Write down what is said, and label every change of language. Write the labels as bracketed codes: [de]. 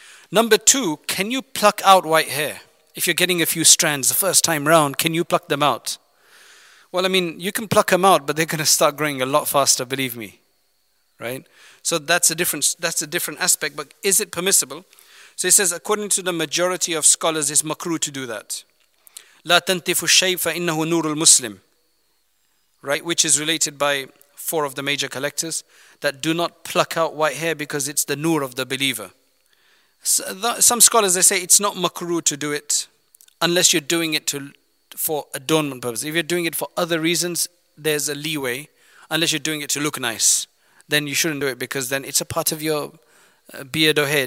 [en] Number two, can you pluck out white hair? If you're getting a few strands the first time round, can you pluck them out? Well, I mean, you can pluck them out, but they're going to start growing a lot faster, believe me. Right? So that's a difference. That's a different aspect. But is it permissible? So he says, according to the majority of scholars, it's makruh to do that. [ar] لا تنتفو الشيء فإنه نور المسلم. [en] Right? Which is related by four of the major collectors, that do not pluck out white hair because it's the nur of the believer. So some scholars, they say it's not makruh to do it unless you're doing it for adornment purposes. If you're doing it for other reasons, there's a leeway. Unless you're doing it to look nice, then you shouldn't do it, because then it's a part of your beard or hair.